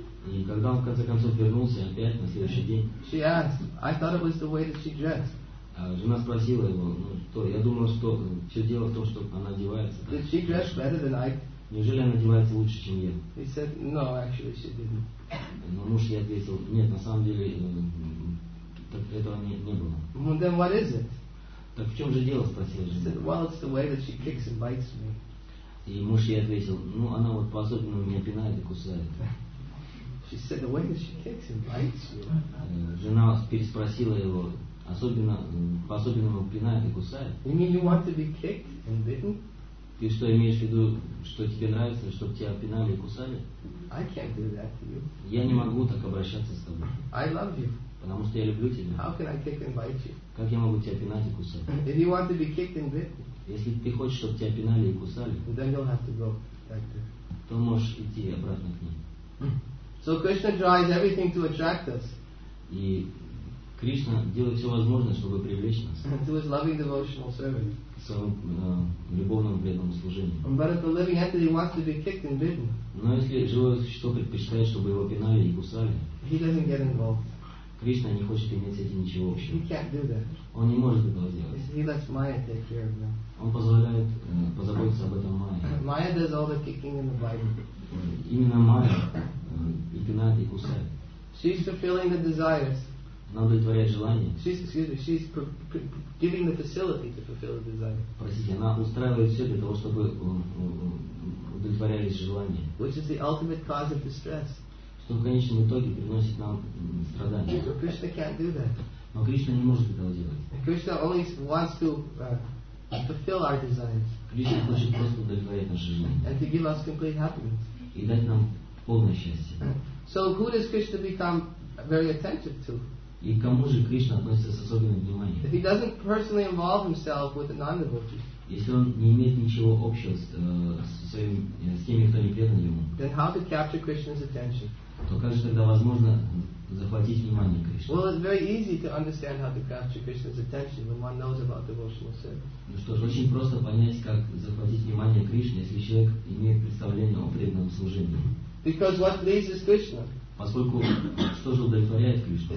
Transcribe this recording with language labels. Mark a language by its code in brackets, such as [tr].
[ru] И когда он в конце концов вернулся опять на следующий день. [en] She asked, I thought it was the way that she dressed. [ru] Жена спросила его, ну что, я думал, что все дело в том, что она одевается. [en] Did she dress better than I? [ru] Неужели она одевается лучше, чем я? [en] He said, no, actually she didn't. [ru] Но муж ей ответил, нет, на самом деле так этого не было. [en] Well, then what is it? [ru] Так в чем же дело, спросила жена. [en] He said, well, it's the way that she kicks and bites me. [ru] И муж ей ответил, ну она вот по-особенному меня пинает и кусает. [en] She said, the way that she kicks and bites me. [ru] Жена переспросила его, особенно по-особенному пинает и кусает. [en] You mean you want to be kicked and bitten? [ru] Ты что имеешь в виду, что тебе нравится, чтобы тебя пинали и кусали? [en] I can't do that to you. [ru] Я не могу так обращаться с тобой. [en] I love you. [ru] Потому что я люблю тебя. [en] How can I kick and bite you? [ru] Как я могу тебя пинать и кусать? [en] If you want to be kicked and bitten, [ru] если ты хочешь, чтобы тебя пинали и кусали, [en] then you'll have to go back to... [ru] то можешь идти обратно к ним. [en] So Krishna tries everything to attract us. [ru] И Кришна делает все возможное, чтобы привлечь нас. [en] To his loving devotional service. [ru] Любовному бедному служению. [en] But if the living entity wants to be kicked and bitten, [ru] но если живое существо предпочитает, чтобы его пинали и кусали, [en] he doesn't get involved. [ru] Кришна не хочет иметь с этим ничего общего. [en] He can't do that. [ru] Он не может этого сделать. [en] He lets Maya take care of them. [ru] Он позволяет позаботиться об этом Майе. [en] Maya does all the kicking and the biting. [ru] Именно Майя и пинает и кусает. [en] She's fulfilling the desires. [ru] Она удовлетворяет желание. [en] She's giving the facility to fulfill the desire. [ru] Простите, она устраивает все для того, чтобы удовлетворялись желания. [en] Which is the ultimate cause of distress. [ru] Что в конечном итоге приносит нам страдания. [en] But Krishna can't do that. [ru] Но Кришна не может этого делать. [en] Krishna only wants to fulfill our desires. [ru] Кришна хочет просто удовлетворять наши желания. [en] And to give us complete happiness. [ru] И дать нам полное счастье. [en] So who does Krishna become very attentive to? [ru] И к кому же Кришна относится с особенным вниманием? [en] If he doesn't personally involve himself with the non-devotees, [ru] если он не имеет ничего общего с теми, кто не предан ему, [en] then how to capture Krishna's attention? [ru] То как же тогда возможно захватить внимание Кришны? [en] Well, it's very easy to understand how to capture Krishna's attention when one knows about devotional service. [ru] Ну что ж, очень просто понять, как захватить внимание Кришны, если человек имеет представление о преданном служении. [en] Because what pleases Krishna? [ru] Поскольку что же удовлетворяет Кришну?